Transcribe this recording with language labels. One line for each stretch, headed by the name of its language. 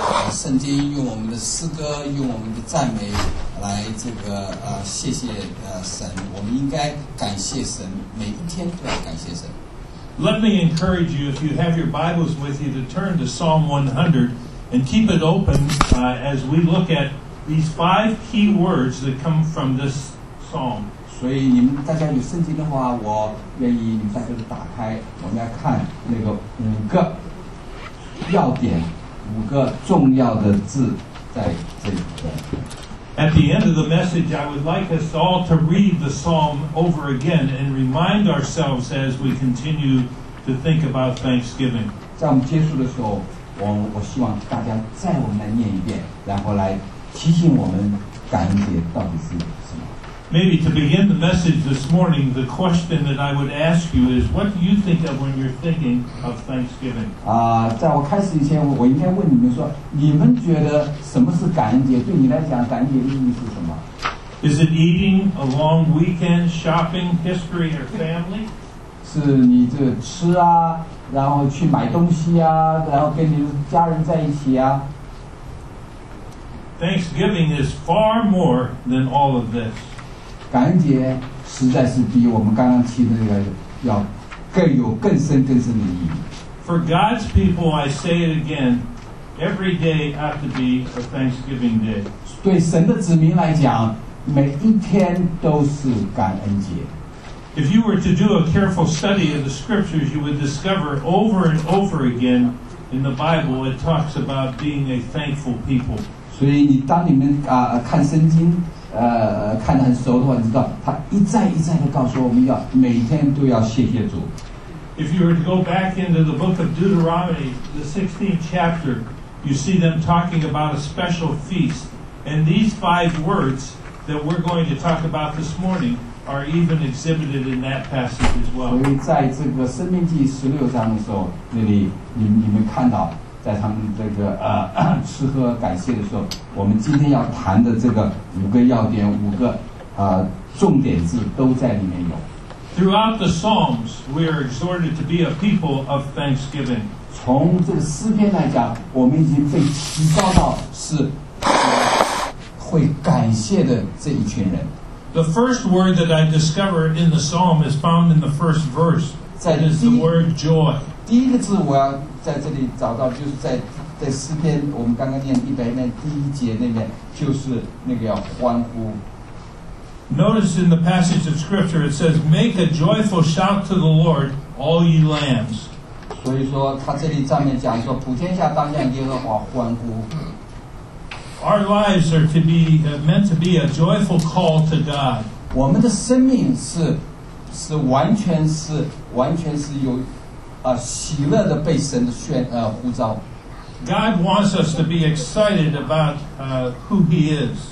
Chinese: 圣经用我们的诗歌，用我们的赞美来这个谢谢神。我们应该感谢神，每一天都要感谢神。
English: Let me encourage you, if you have your Bibles with you, to turn to Psalm 100 and keep it open as we look at these five key words that come from this psalm.
Chinese: 所以你们大家有圣经的话，我愿意你们大家都打开，我们来看那个五个要点。五个重要的字在这里。
English: At the end of the message, I would like us all to read the psalm over again and remind ourselves as we continue to think about Thanksgiving.
Chinese: 在我们结束的时候，我希望大家再我们来念一遍，然后来提醒我们感恩节到底是什么。
English: Maybe to begin the message this morning, the question that I would ask you is, what do you think of when you're thinking of Thanksgiving?
Chinese: 在我开始以前，我应该问你们说，你们觉得什么是感恩节？对你来讲，感恩节的意义是什么？
English: Is it eating, a long weekend, shopping, history, or family?
Chinese: 是你这吃啊，然后去买东西啊，然后跟你的家人在一起啊。
English: Thanksgiving is far more than all of this.
Chinese: 感恩节实在是比我们刚刚提的那个要更有更深更深的意义。
English: For God's people, I say it again, every day ought to be a Thanksgiving day.
Chinese: 对神的子民来讲，每一天都是感恩节。
English: If you were to do a careful study of the scriptures, you would discover over and over again in the Bible, it talks about being a thankful people.
Chinese: 所以当你们看圣经。看得很熟的话，你知道他一再一再地告诉我们要每天都要谢谢主。
English: If you were to go back into the book of Deuteronomy, the 16th chapter, you see them talking about a special feast. And these five words that we're going to talk about this morning are even exhibited in that passage as well.
Chinese: 所以在这个《申命记》十六章的时候，那里你们看到。在他们这个吃喝感谢的时候，我们今天要谈的这个五个要点，五个重点字都在里面有。
English: Throughout the Psalms, we are exhorted to be a people of thanksgiving.
Chinese: 从这个诗篇来讲，我们已经被提高到是会感谢的这一群人。
English: The first word that I discovered in the Psalm is found in the first verse. It is the word joy.
Chinese: 第一个字我要。在这里找到就是在诗篇我们刚刚念一百篇第一节那边就是那个要欢呼
English: Notice in the passage of scripture it says make a joyful shout to the Lord all ye lambs
Chinese: 所以说他这里上面讲说普天下当向耶和华欢呼
English: Our lives are to be meant to be a joyful call to God
Chinese: 我们的生命是完全是有喜乐地被神的呼召。
English: God wants us to be excited about who He is.